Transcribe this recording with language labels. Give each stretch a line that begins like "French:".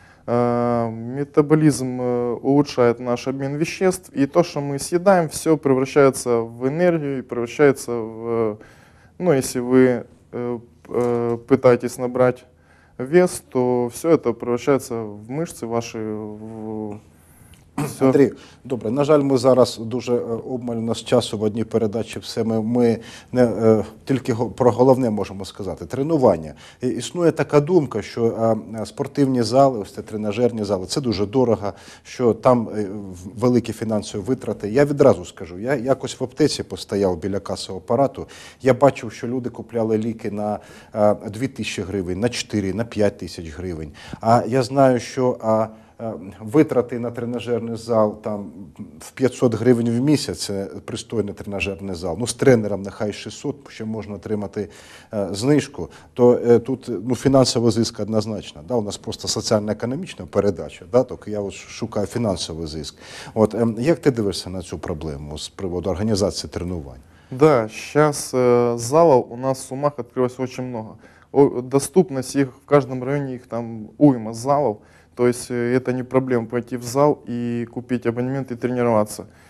Russian: Метаболизм улучшает наш обмен веществ, и то, что мы съедаем, все превращается в энергию и превращается в, ну, если вы пытаетесь набрать вес, то все это превращается в мышцы ваши, в... Все.
Ukrainian: Андрій, добре, на жаль, ми зараз дуже обмалено з часу в одній передачі. Все ми не тільки про головне можемо сказати. Тренування. Існує така думка, що спортивні зали, ось це тренажерні зали, це дуже дорого, що там великі фінансові витрати. Я відразу скажу, я якось в аптеці постояв біля каси апарату. Я бачив, що люди купляли ліки на 2000 гривень, на 4, на 5 тисяч гривень. А я знаю, що витрати на тренажерний зал там в 500 гривень в місяць, це пристойний тренажерний зал. Ну, з тренером нехай 600, ще можна отримати знижку. То тут, ну, фінансова зиск однозначно. Да? У нас просто соціально-економічна передача, да? Так я от шукаю фінансовий зиск. От, як ти дивишся на цю проблему з приводу організації тренувань? Да, зараз залів у нас в Сумах відкрилось дуже багато. Доступність їх в кожному районі, їх там уйма залів.
Russian: То есть это не проблема пойти в зал и купить абонемент и тренироваться.